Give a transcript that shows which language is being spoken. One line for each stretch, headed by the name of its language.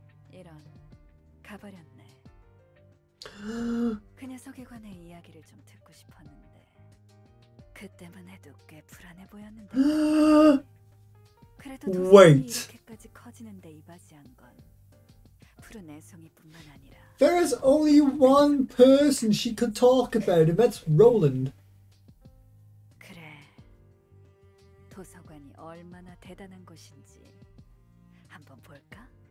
Korean: 이런, 가버렸네. 그 녀석에 관해 이야기를 좀 듣고 싶었는데 그때만 해도 꽤 불안해 보였는데 그래도 도서관이 이렇게까지 커지는데 이바지한 건 푸른 애송이뿐만 아니라
English: There is only one person she could talk about and that's Roland.
Korean: 그래 도서관이 얼마나 대단한 곳인지 한번 볼까?